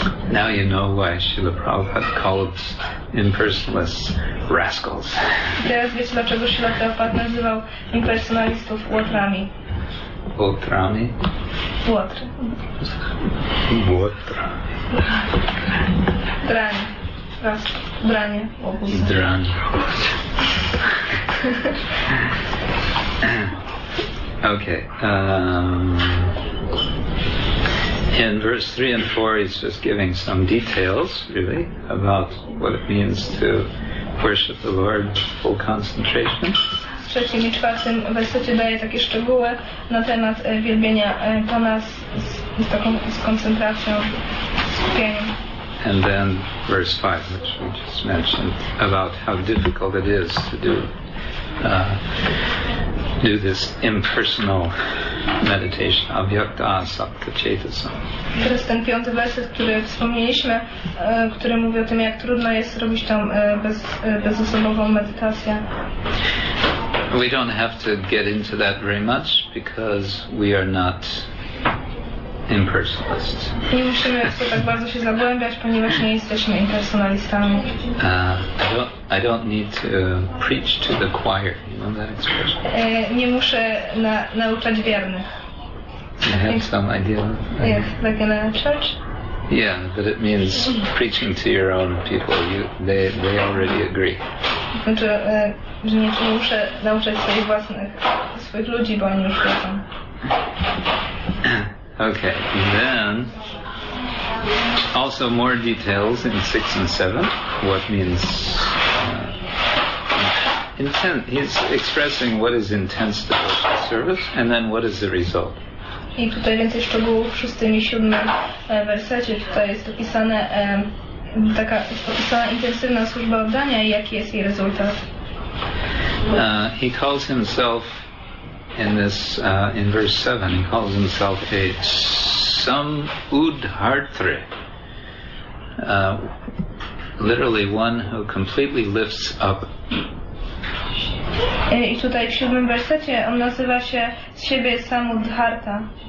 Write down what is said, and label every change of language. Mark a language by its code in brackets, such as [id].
[en] Now you know why Śrīla Prabhupāda called impersonalists rascals. [pl] Teraz wiecie, dlaczego Śrīla Prabhupāda nazywał impersonalistów łotrami. Łotrami? Łotry. Łotrami. Drani. Drani. [en] Okay. In verse 3 and 4, he's just giving some details, really, about what it means to worship the Lord with full concentration. [pl] W trzecim i czwartym wersecie daje takie szczegóły na temat wielbienia Pana z taką koncentracją, skupieniem. [en] And then verse 5, which we just mentioned, about how difficult it is to do this impersonal meditation, [sa] avyakta sapta chetasam. [pl] Teraz ten piąty werset, który wspomnieliśmy, który mówi o tym, jak trudno jest robić tą bezosobową medytację. [en] We don't have to get into that very much because we are not impersonalists. [pl] Nie musimy tak bardzo się zagłębiać, ponieważ nie jesteśmy impersonalistami. [en] I don't need to preach to the choir. You know that expression? [pl] Nie muszę nauczać wiernych. [en] I have some idea. Yes, like in a church. Yeah, but it means preaching to your own people. They already agree. [pl] Znaczy, że nie muszę nauczać swoich ludzi, bo oni już wiedzą. [en] Okay, then also more details in 6 and 7. What means intent? He's expressing what is intense devotional service, and then what is the result? [pl] I tutaj więcej szczegółów w 6 i 7 wersecie. Tutaj jest opisane taka opisana intensywna służba oddania i jaki jest jej rezultat. [en] He calls himself in this in verse 7, he calls himself a Samudhartri. Literally one who completely lifts up. [pl] I tutaj w 7 wersecie on nazywa się z siebie Samudharta.